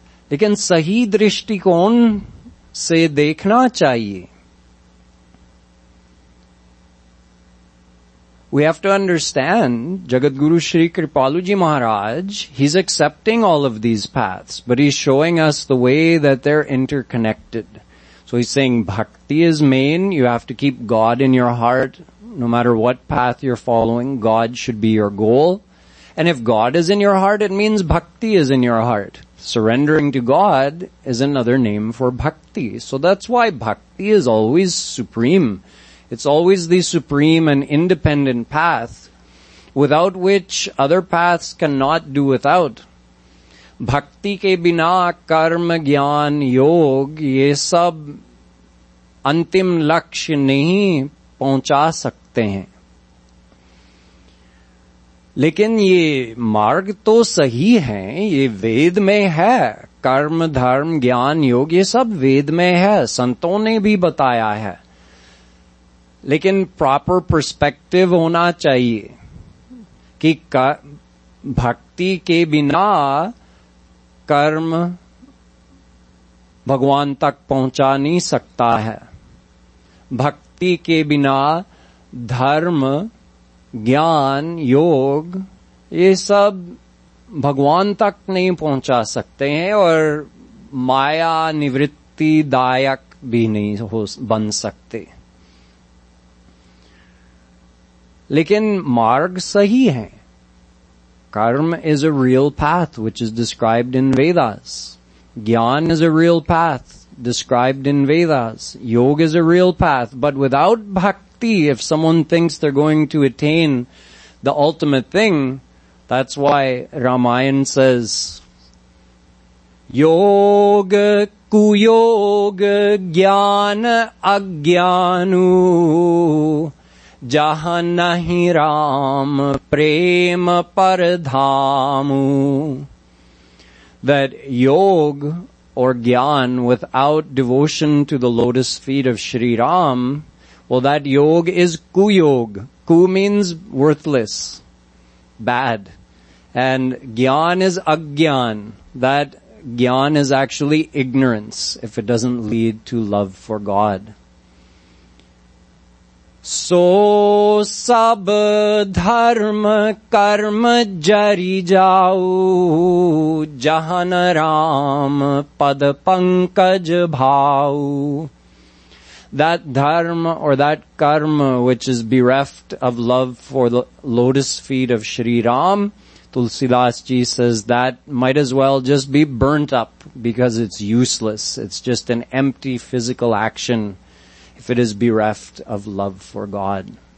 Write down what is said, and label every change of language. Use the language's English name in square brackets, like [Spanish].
[Hindi] लेकिन सही दृष्टिकोण से देखना चाहिए। [English] We have to understand Jagat Guru Shri Kripalu ji Maharaj, he is accepting all of these paths but he is showing us the way that they are interconnected. So he's saying bhakti is main, you have to keep God in your heart, no matter what path you're following, God should be your goal. And if God is in your heart, it means bhakti is in your heart. Surrendering to God is another name for bhakti. So that's why bhakti is always supreme. It's always the supreme and independent path, without which other paths cannot do without. [Hindi] भक्ति के बिना कर्म ज्ञान योग ये सब अंतिम लक्ष्य नहीं पहुंचा सकते हैं। लेकिन ये मार्ग तो सही है, ये वेद में है, कर्म धर्म ज्ञान योग ये सब वेद में है, संतों ने भी बताया है। लेकिन [English] proper perspective [Hindi] होना चाहिए कि भक्ति के बिना कर्म भगवान तक पहुंचा नहीं सकता है, भक्ति के बिना धर्म ज्ञान योग ये सब भगवान तक नहीं पहुंचा सकते हैं और माया निवृत्ति दायक भी नहीं बन सकते। लेकिन मार्ग सही है, [English] karma is a real path which is described in Vedas, gyan is a real path described in Vedas, yoga is a real path, but without bhakti, if someone thinks they're going to attain the ultimate thing, that's why Ramayan says [Hindi] yoga kuyoga gyan agyanu जहां नहीं राम प्रेम पर Dhamu. [English] That yog or gyan without devotion to the lotus feet of Shri Ram, well, that yog is kuyog. Ku means worthless, bad. And gyan is agyan. That gyan is actually ignorance if it doesn't lead to love for God. [Hindi] सो सब धर्म कर्म जरी जाऊ जहन राम पद पंकज भाऊ। [English] That dharma or that karma which is bereft of love for the lotus feet of Shri Ram, Tulsidas ji says that might as well just be burnt up because it's useless. It's just an empty physical action if it is bereft of love for God.